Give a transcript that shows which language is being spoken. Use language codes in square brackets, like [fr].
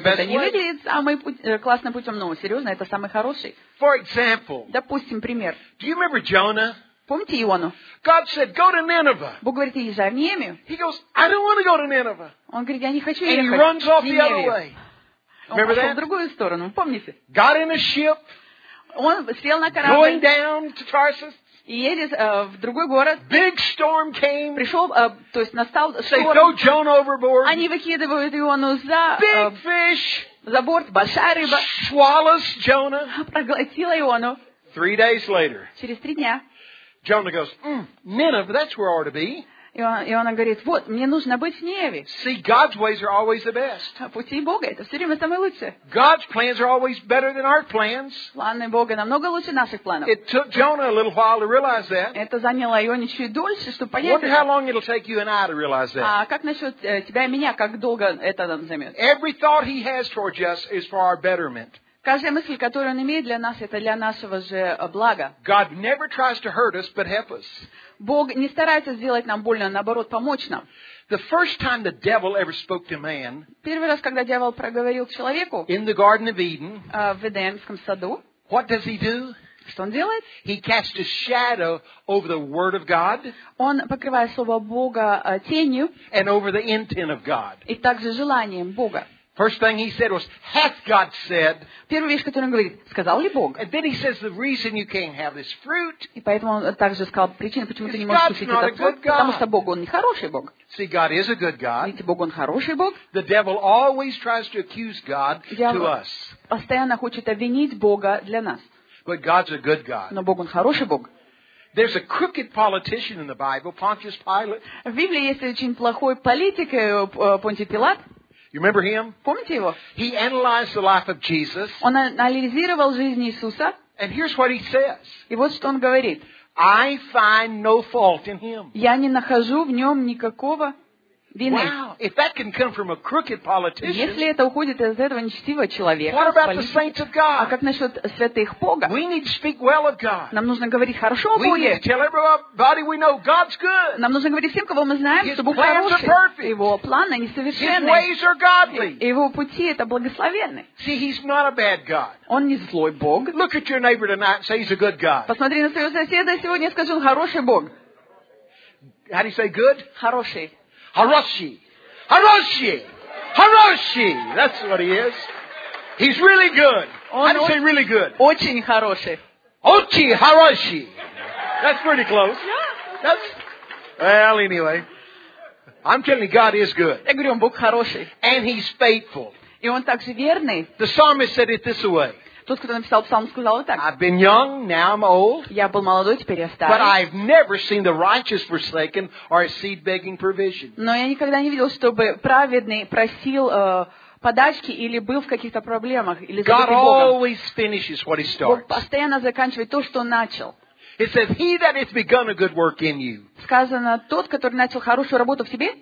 [ru] Может, [en] best [ru] не [en] way. [ru] Не выглядит самый классным путем, но серьезно, это самый хороший. [en] For example. [ru] Допустим, пример. [en] Do you remember Jonah? [ru] Помните Иону? [en] God said, go to Nineveh. [ru] Бог говорит, езжай в Ниневию. [en] He goes, I don't want to go to Nineveh. [ru] Он говорит, я не хочу [en] And [ru] ехать. [en] And he runs off the other way. Remember [ru] that? В другую сторону. Помните? [en] Got in a ship. [ru] Он сел на корабль. [en] Going down to Tarsus. [ru] И едет в другой город. [en] Big storm came. [ru] Пришел, то есть настал шторм. [en] They throw Jonah overboard. [ru] Они выкидывают Иону за [en] Big fish. [ru] За борт. Большая рыба. [en] Swallows Jonah. [ru] Проглотила Иону. [en] Three days later. [ru] Через три дня. [en] Jonah goes, Nineveh, that's where I ought to be. [ru] Иона говорит, вот, мне нужно быть в Ниневе. [en] See, God's ways are always the best. [ru] Пути Бога, это все время самые лучшие. [en] God's plans are always better than our plans. [ru] Планы Бога намного лучше наших планов. [en] It took Jonah a little while to realize that. [ru] Это заняло Ионе чуть дольше, чтобы понять. [en] Wonder how long it'll take you and I to realize that. [ru] А как насчет тебя и меня, как долго это нам займет? [en] Every thought he has towards us is for our betterment. [ru] Каждая мысль, которую он имеет для нас, это для нашего же блага. [en] God never tries to hurt us, but help us. [ru] Бог не старается сделать нам больно, а наоборот, помочь нам. [en] The first time the devil ever spoke to man, [ru] первый раз, когда дьявол проговорил к человеку, [en] in the Garden of Eden, [ru] в Эдемском саду, [en] what does he do? [ru] Что он делает? [en] He cast a shadow over the word of God, [ru] он покрывает слово Бога тенью, [en] and over the intent of God. [ru] И также желанием Бога. [en] First thing he said was, "Hath God said?" [ru] Первая вещь, которую он говорит, сказал ли Бог? [en] And then he says, "The reason you can't have this fruit." [ru] И поэтому он также сказал причину, почему ты не можешь кушать этот плод, потому что Бог он не хороший Бог. [en] See, God is a good God. [ru] Видите, Бог он хороший Бог. [en] The devil always tries to accuse God to us. [ru] Постоянно хочет обвинить Бога для нас. [en] But God's a good God. [ru] Но Бог он хороший Бог. [en] There's a crooked politician in the Bible, Pontius Pilate. [ru] В Библии есть очень плохой политик Понтий Пилат. [en] You remember him? [ru] Помните его? [en] He analyzed the life of Jesus. [ru] Он анализировал жизнь Иисуса. [en] And here's what he says. [ru] И вот что он говорит. [en] I find no fault in him. [ru] Я не нахожу в нем никакого вины. [en] Wow, if that can come from a crooked politician. [ru] Если это уходит из этого нечестивого человека. [en] What about the saints of God? [ru] А как насчет святых Бога? [en] We need to speak well of God. [ru] Нам нужно говорить хорошо о Боге. [en] We need to tell everybody we know God's good. [ru] Нам нужно говорить всем, кого мы знаем, [en] His [ru] что Бог хороший. Его планы несовершенны. [en] His ways are godly. [ru] Его пути это благословенны. [en] See, he's not a bad God. [ru] Он не злой Бог. [en] Look at your neighbor tonight and say he's a good God. [ru] Посмотри на своего соседа сегодня и скажи, он хороший Бог. [en] How do you say good? [ru] Хороший. [en] Hiroshi. Hiroshi. Hiroshi. That's what he is. He's really good. How do you say really good? [ru] Очень хороший. Очень хороший. [en] That's pretty close. Yeah. That's, well, anyway. I'm telling you, God is good. [ru] Я говорю, Бог хороший. [en] And he's faithful. [ru] И он также верный. [en] The psalmist said it this way. [ru] Тот, кто написал псалм, сказал вот так. [en] I've been young, now I'm old. [ru] Я был молодой, теперь я старый. [en] But I've never seen the righteous forsaken or a seed begging provision. [ru] Но я никогда не видел, чтобы праведный просил подачки или был в каких-то проблемах или [en] God always finishes what he starts. [ru] Бог постоянно заканчивает то, что начал. [en] It says, "He that has begun a good work in you." [ru] Сказано, тот, который начал хорошую работу в тебе,